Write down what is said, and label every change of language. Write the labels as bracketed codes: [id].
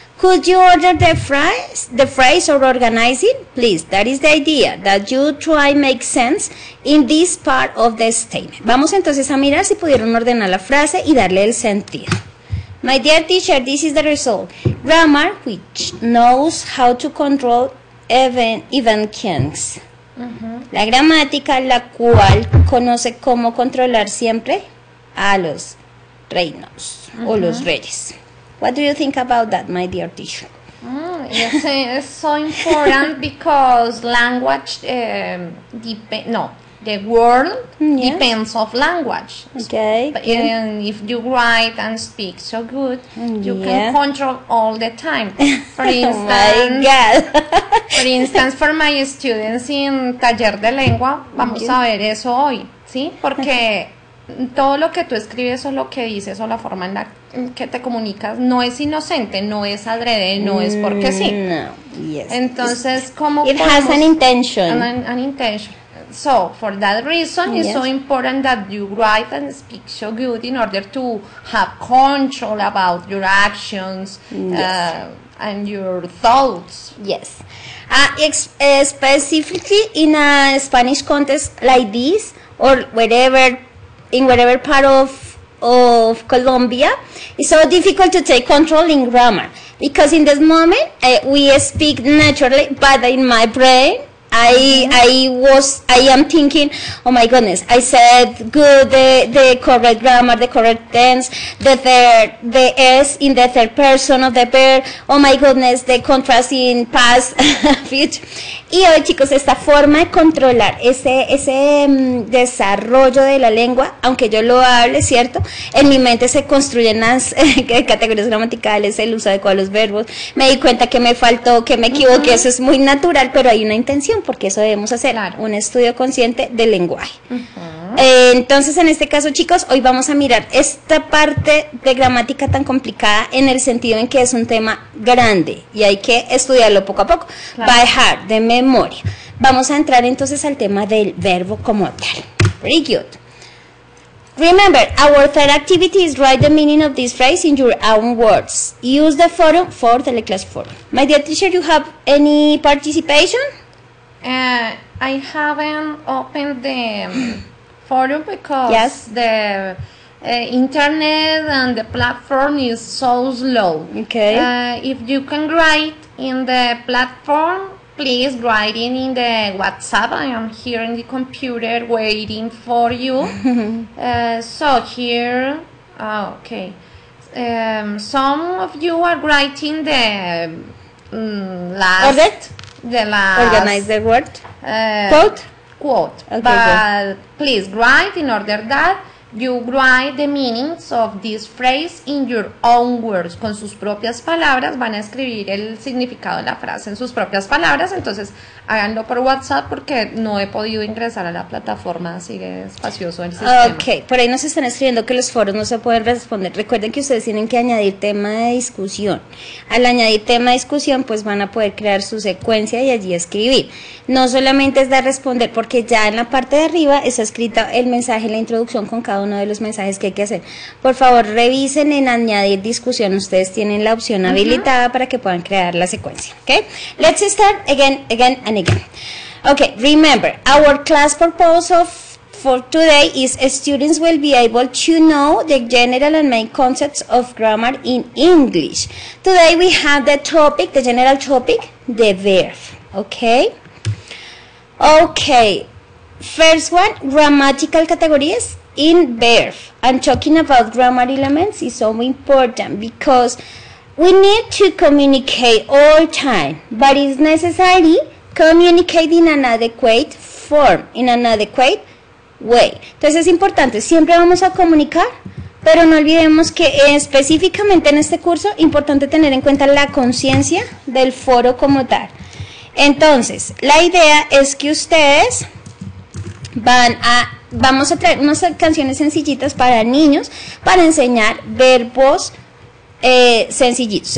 [en] Could you order the phrase or organize it, please? That is the idea, that you try make sense in this part of the statement. [es] Vamos entonces a mirar si pudieron ordenar la frase y darle el sentido. [en] My dear teacher, this is the result. Grammar, which knows how to control even kings. [es] La gramática, la cual conoce cómo controlar siempre a los reinos o los reyes. [en] What do you think about that, my dear teacher? Yes, it's so important because language depends of language. Okay. And if you write and speak so good, you can control all the time. For instance, oh my God. For instance, for my students in [es] taller de lengua, vamos a ver eso hoy, ¿sí? Porque todo lo que tú escribes o lo que dices o la forma en la que te comunicas no es inocente, no es adrede, no es porque sí. No. Entonces, ¿cómo [en] it has an intention. An intention. So, for that reason, it's so important that you write and speak so good in order to have control about your actions and your thoughts. Yes. Specifically in a Spanish context like this or whatever, in whatever part of Colombia, it's so difficult to take control in grammar. Because in this moment, we speak naturally, but in my brain, I am thinking, oh my goodness, I said good, the correct grammar, the correct tense, the S in the third person of the verb, oh my goodness, the contrast in past, future. [es] Y hoy, chicos, esta forma de controlar ese desarrollo de la lengua, aunque yo lo hable, ¿cierto? En mi mente se construyen las categorías gramaticales, el uso adecuado de los verbos, me di cuenta que me faltó, que me equivoqué, eso es muy natural, pero hay una intención. Porque eso debemos hacer, un estudio consciente del lenguaje. Entonces, en este caso, chicos, hoy vamos a mirar esta parte de gramática tan complicada en el sentido en que es un tema grande y hay que estudiarlo poco a poco, [en] by heart, [es] de memoria. Vamos a entrar entonces al tema del verbo como tal. [en] Very good. Remember, our third activity is write the meaning of this phrase in your own words. Use the forum for Teleclass Forum. My dear teacher, you have any participation? I haven't opened the forum because the internet and the platform is so slow. Okay. If you can write in the platform, please write in the WhatsApp. I am here in the computer waiting for you. Some of you are writing the last. Of it? The last organize the word quote okay, but good. Please write in order that You write the meanings of this phrase in your own words. [es] Con sus propias palabras van a escribir el significado de la frase en sus propias palabras. Entonces, háganlo por WhatsApp porque no he podido ingresar a la plataforma. Sigue espacioso el sistema. Ok, por ahí nos están escribiendo que los foros no se pueden responder. Recuerden que ustedes tienen que añadir tema de discusión. Al añadir tema de discusión, pues van a poder crear su secuencia y allí escribir. No solamente es de responder, porque ya en la parte de arriba está escrito el mensaje, la introducción con cada uno de los mensajes que hay que hacer. Por favor, revisen en añadir discusión. Ustedes tienen la opción habilitada para que puedan crear la secuencia. [en] Okay? Let's start again, again and again. Okay, remember, our class proposal for today is students will be able to know the general and main concepts of grammar in English. Today we have the topic, the general topic, the verb. Okay? Okay. First one, grammatical categories. In verb, I'm talking about grammar elements, is so important because we need to communicate all time, but it's necessary communicate in an adequate form, in an adequate way. [es] Entonces es importante, siempre vamos a comunicar, pero no olvidemos que específicamente en este curso, importante tener en cuenta la conciencia del foro como tal. Entonces, la idea es que ustedes vamos a traer unas canciones sencillitas para niños para enseñar verbos sencillitos.